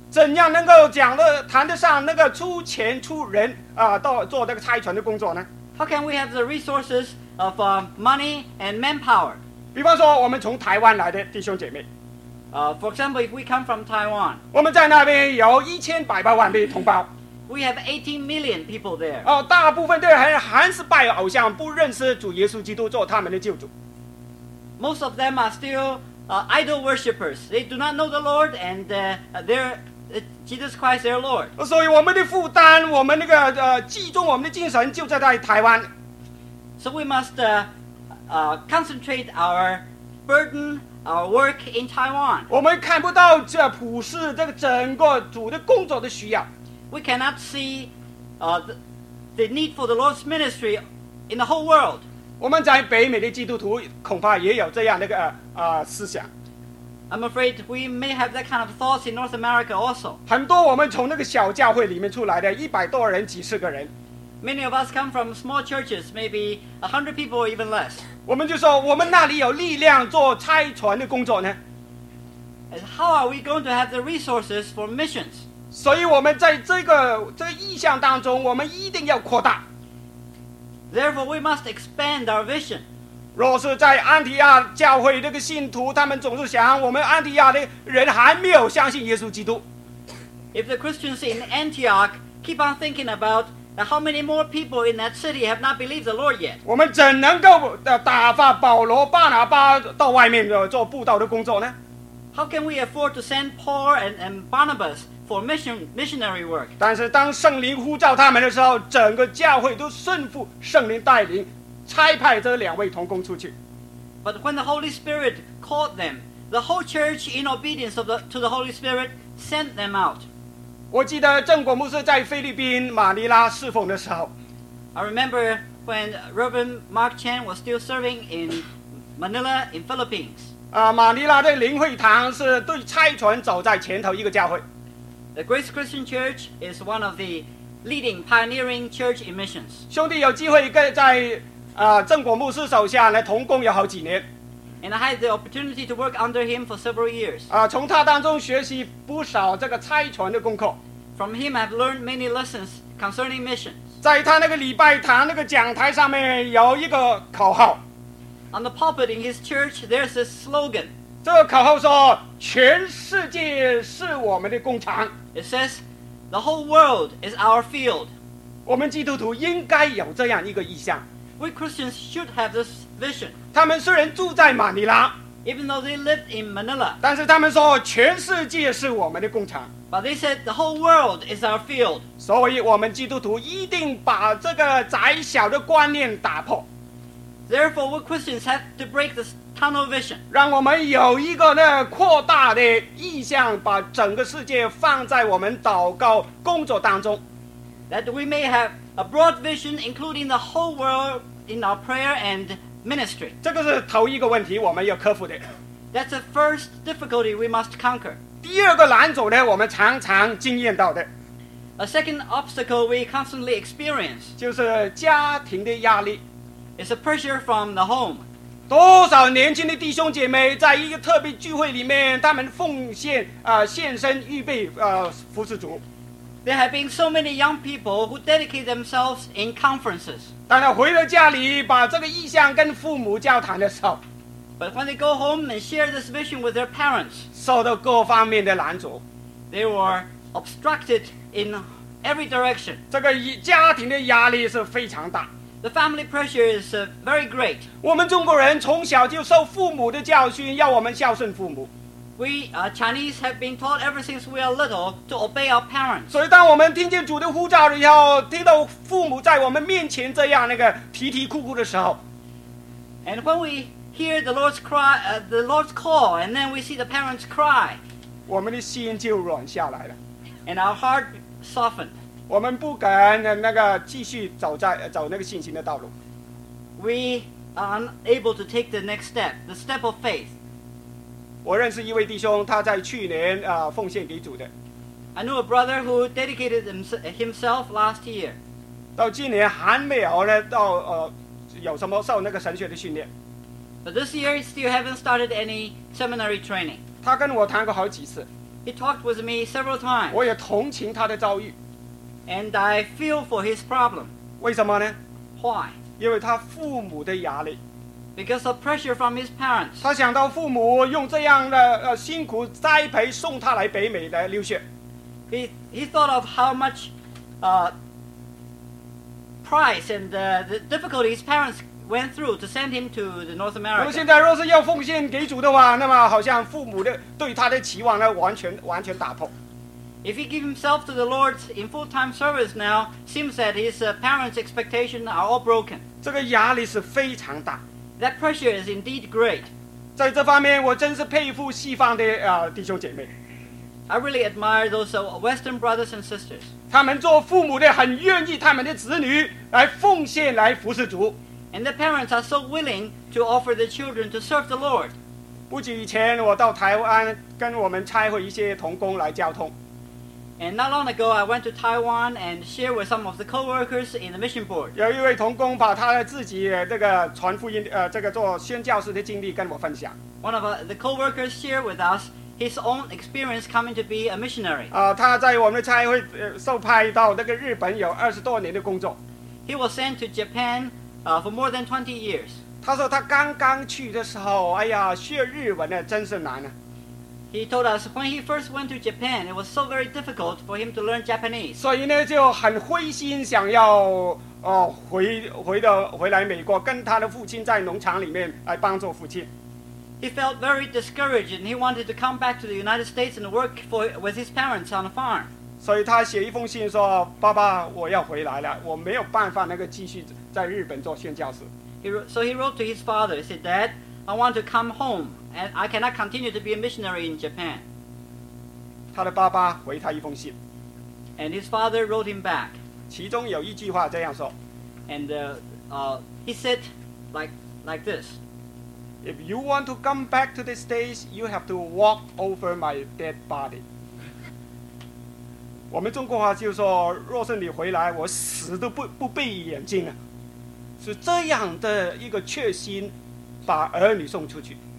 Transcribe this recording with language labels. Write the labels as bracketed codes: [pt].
[zh] 怎样能够讲的谈得上那个出钱出人啊，到做这个差传的工作呢 [en] ？How can we have the resources of money and manpower？ [zh] 比方说，我们从台湾来的弟兄姐妹。 [en] For example, if we come from Taiwan， [zh] 我们在那边有1800万的同胞。 [en] We have 18 million people there。 [zh] 大部分的人还是拜偶像，不认识主耶稣基督做他们的救主。 [en] Most of them are still idol worshippers. They do not know the Lord and they're Jesus Christ, their Lord. [zh] 所以我们的负担，我们那个集中我们的精神就在台湾。 [en] So we must concentrate our burden, our work in Taiwan. [zh] 我们看不到这普世这个整个主的工作的需要。 [en] We cannot see the need for the Lord's ministry in the whole world. [zh] 我们在北美的基督徒恐怕也有这样那个思想。 [en] I'm afraid we may have that kind of thoughts in North America also. [zh] 很多我们从那个小教会里面出来的，100多人、几十个人。 [en] Many of us come from small churches, maybe 100 people or even less. [zh] 我们就说，我们那里有力量做差传的工作呢。 [en] And how are we going to have the resources for missions? [zh] 所以我们在这个意向当中，我们一定要扩大。 [en] Therefore, we must expand our vision. [zh] 若是在安提亚教会这个信徒，他们总是想我们安提亚的人还没有相信耶稣基督。 [en] If the Christians in Antioch keep on thinking about how many more people in that city have not believed the Lord yet, [zh] 我们怎能够打发保罗、巴拿巴到外面做布道的工作呢 [en] ？How can we afford to send Paul and Barnabas for missionary work？ [zh] 但是当圣灵呼召他们的时候，整个教会都顺服圣灵带领。差派这两位同工出去。 [en] But when the Holy Spirit called them, the whole church, in obedience to the Holy Spirit, sent them out. [zh] 我记得郑国牧师在菲律宾马尼拉侍奉的时候。 [en] I remember when Reverend Mark Chan was still serving in Manila in Philippines. [zh] 马尼拉的灵会堂是对差传走在前头一个教会。 [en] The Grace Christian Church is one of the leading pioneering church in missions. [zh] 兄弟有机会跟在郑国牧师手下来同工有好几年。 [en] And I had the opportunity to work under him for several years. [zh] 从他当中学习不少这个差传的功课。 [en] From him, I've learned many lessons concerning missions. [zh] 在他那个礼拜堂那个讲台上面有一个口号。 [en] On the pulpit in his church, there's a slogan. [zh] 这个口号说，全世界是我们的工厂。 [en] It says, the whole world is our field. [zh] 我们基督徒应该有这样一个意向。 [en] We Christians should have this vision. [zh] 他们虽然住在马尼拉， [en] even though they lived in Manila, [zh] 但是他们说全世界是我们的工厂。 [en] But they said the whole world is our field. [zh] 所以我们基督徒一定把这个窄小的观念打破。 [en] Therefore, we Christians have to break this tunnel vision. [zh] 让我们有一个那扩大的意向，把整个世界放在我们祷告工作当中。 [en] That we may have a broad vision, including the whole world in our prayer and ministry. [zh] 这个是头一个问题我们要克服的。 [en] That's the first difficulty we must conquer. [zh] 第二个拦阻呢，我们常常经验到的。 [en] A second obstacle we constantly experience. [zh] 就是家庭的压力。 [en] It's a pressure from the home. [zh] 多少年轻的弟兄姐妹在一个特别聚会里面，他们奉献献身预备服侍主。 [en] There have been so many young people who dedicate themselves in conferences. [zh] 当他回到家里把这个意向跟父母交谈的时候， [en] But when they go home and share this vision with their parents, [zh] 受到各方面的拦阻， [en] They were obstructed in every direction. [zh] 这个家庭的压力是非常大。 [en] The family pressure is very great. [zh] 我们中国人从小就受父母的教训，要我们孝顺父母。 [en] We Chinese have been taught ever since we are little to obey our parents. [zh] 所以当我们听见主的呼召以后，听到父母在我们面前这样那个啼啼哭哭的时候， [en] And when we hear the Lord's cry, the Lord's call, and then we see the parents cry, [zh] 我们的心就软下来了。 [en] And our heart softened. [zh] 我们不敢那个继续走在走那个信心的道路。 [en] We are unable to take the next step, the step of faith. [zh] 我认识一位弟兄，他在去年奉献给主的。 [en] I knew a brother who dedicated himself last year. [zh] 到今年还没有呢，到有什么受那个神学的训练。 [en] But this year still haven't started any seminary training. [zh] 他跟我谈过好几次。 [en] He talked with me several times. [zh] 我也同情他的遭遇。 [en] And I feel for his problem. [zh] 为什么呢 [en] ？Why? [zh] 因为他父母的压力。 [en] Because of pressure from his parents. [zh] 他想到父母用这样的辛苦栽培送他来北美来留学。 [en] He thought of how much price and the difficulty his parents went through to send him to the North America. [zh] 现在若是要奉献给主的话，那么好像父母的对他的期望呢，完全打破。 [en] If he gives himself to the Lord in full-time service now, seems that his parents' expectations are all broken. [zh] 这个压力是非常大。 [en] That pressure is indeed great. [zh] 在这方面，我真是佩服西方的弟兄姐妹。 [en] I really admire those Western brothers and sisters. [zh] 他们做父母的很愿意他们的子女来奉献来服侍主。 [en] And the parents are so willing to offer their children to serve the Lord. [zh] 不久以前，我到台湾跟我们差会一些同工来交通。 [en] And not long ago, I went to Taiwan and shared with some of the co-workers in the mission board. [zh] 有一位同工把他自己这个传福音这个做宣教士的经历跟我分享。 [en] One of the co-workers shared with us his own experience coming to be a missionary. [zh] 他在我们的差会受派到那个日本有二十多年的工作。 [en] He was sent to Japan for more than 20 years. [zh] 他说他刚刚去的时候，哎呀，学日文呢真是难啊。 [en] He told us when he first went to Japan, it was so very difficult for him to learn Japanese. [zh] 所以呢，就很灰心，想要回来美国，跟他的父亲在农场里面来帮助父亲。 [en] He felt very discouraged, and he wanted to come back to the United States and work with his parents on a farm. [zh] 所以他写一封信说：“爸爸，我要回来了，我没有办法那个继续在日本做宣教士。 [en] ”So he wrote to his father. He said, "Dad, I want to come home. And I cannot continue to be a missionary in Japan." [zh] 他的爸爸回他一封信。 [en] And his father wrote him back. 其中有一句话这样说。 And he said like this. If you want to come back to the States, you have to walk over my dead body. [zh] 我们中国话就说，若是你回来，我死都不闭眼睛啊。是这样的一个确信，把儿女送出去。